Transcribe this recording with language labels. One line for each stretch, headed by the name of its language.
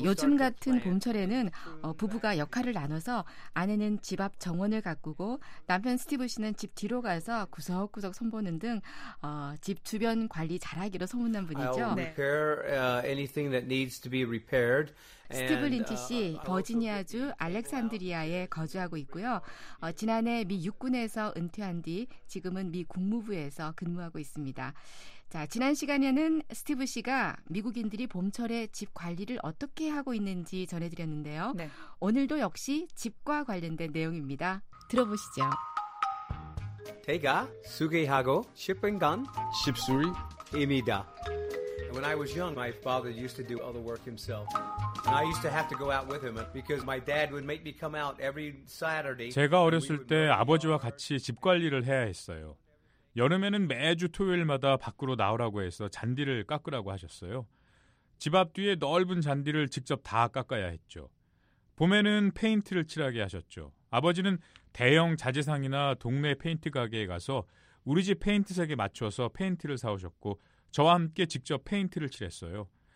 Korean: 네, 요즘 같은 봄철에는 부부가 역할을 나눠서 아내는 집 앞 정원을 가꾸고 남편 스티브 씨는 집 뒤로 가서 구석구석 손보는 등 집 주변 관리 잘하기로 소문난 분이죠.
English: I'll repair anything that needs to be repaired.
Korean: 스티브 린치 씨, 버지니아주 알렉산드리아에 거주하고 있고요. 지난해 미 육군에서 은퇴한 뒤 지금은 미 국무부에서 근무하고 있습니다. 자, 지난 시간에는 스티브 씨가 미국인들이 봄철에 집 관리를 어떻게 하고 있는지 전해드렸는데요. 네. 오늘도 역시 집과 관련된 내용입니다. 들어보시죠. 제가 소개하고 싶은 건 집수리입니다.
English: When I was young, my father used to do all the work himself. And I used to have to go out with him because my dad would make me come out every Saturday.
Korean: 제가 어렸을 때 아버지와 같이 집 관리를 해야 했어요. 여름에는 매주 토요일마다 밖으로 나오라고 해서 잔디를 깎으라고 하셨어요. 집 앞 뒤에 넓은 잔디를 직접 다 깎아야 했죠. 봄에는 페인트를 칠하게 하셨죠. 아버지는 대형 자재상이나 동네 페인트 가게에 가서 우리 집 페인트색에 맞춰서 페인트를 사오셨고 저와 함께 직접 페인트를 칠했어요.